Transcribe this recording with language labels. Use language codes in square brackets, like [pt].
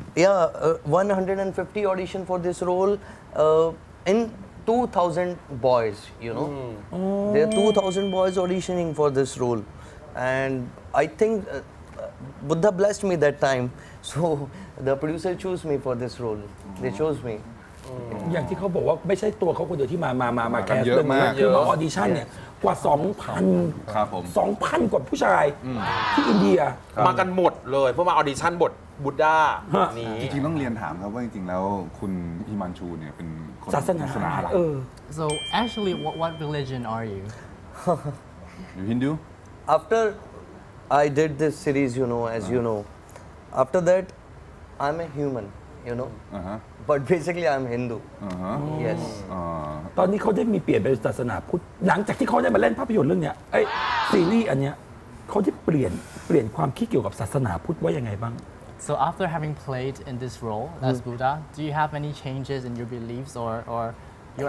[en] Yeah, 150 audition for this role in 2000 boys, you know. There are 2000 boys auditioning for this role, and I think Buddha blessed me that time, so the producer chose me for this role. They chose me. [th] อย่างที่เขาบอกว่าไม่ใช่ตัวเขาคนเดียวที่มา แ ค สต์เ ล ย คือออดิชั่นเนี่ยกว่า 2,000 ครับผม 2,000 กว่าผู้ชายที่อินเดีย มากันหมดเลยเพื่อมาออดิชั่นบทบุตรดานี่จริงๆต้องเรียนถามครับว่าจริงๆแล้วคุณฮิมันชูเนี่ยเป็น ศาสนา อะไร [en] So actually what religion are you You Hindu After I did this series you know as you know after that I'm a human you know But basically I'm Hindu Yes [th] ตอนนี้เขาได้มีเปลี่ยนเป็นศาสนาพุทธหลังจากที่เขาได้มาเล่นภาพยนตร์เรื่องเนี้ยไอ้ซีรีส์อันเนี้ยเขาได้เปลี่ยนความคิดเกี่ยวกับศาสนาพุทธว่ายังไงบ้าง [en] So after having played in this role as Buddha do you have any changes in your beliefs or your